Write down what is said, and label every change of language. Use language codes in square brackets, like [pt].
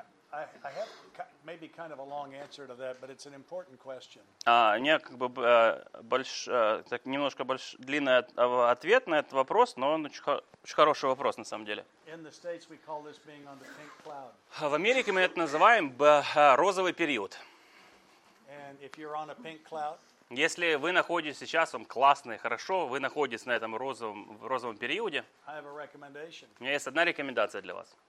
[en] I have maybe kind of a long answer to that, but it's an important question. [ru] Длинный ответ на этот вопрос, но он очень хороший вопрос на самом деле. [en] In the States we call this being on the pink cloud. [ru] В Америке мы это называем розовый период. [en] And if you're on a pink cloud. [ru] Если вы находитесь сейчас, вам классно и хорошо, вы находитесь на этом розовом периоде. [en] I have a recommendation. [ru] У меня есть одна рекомендация для вас.